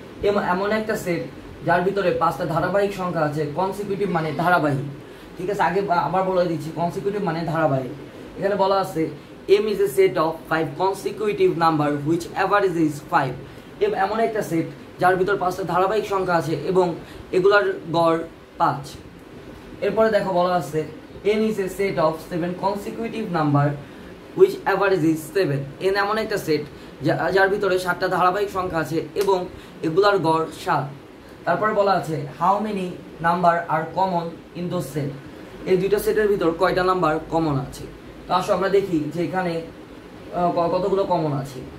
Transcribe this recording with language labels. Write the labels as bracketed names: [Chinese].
[Bangla] M এমন একটা set যার ভিতরে 5টা ধারাবাহিক সংখ্যা আছে, কনসিকিউটিভ মানে ধারাবাহিক, ঠিক আছে? আগে আবার বলে দিচ্ছি, কনসিকিউটিভ মানে ধারাবাহিক। এখানে বলা আছে [English] M is a set of 5 consecutive number which average is 5। [Bangla] M এমন একটা সেট যার ভিতরে 5টা ধারাবাহিক সংখ্যা আছে এবং এগুলার গড় 5। এরপরে দেখো বলা আছে [English] n is a set of 7 consecutive number which average is 7. [Bangla] n এমন একটা সেট যার ভিতরে 7টা ধারাবাহিক সংখ্যা আছে এবং এগুলার গড় 7। তারপরে বলা আছে [English] how many number are common in those set, [Bangla] এই দুইটা সেটের ভিতর কয়টা নাম্বার কমন আছে। তো আসো আমরা দেখি যে এখানে কতগুলো কমন আছে।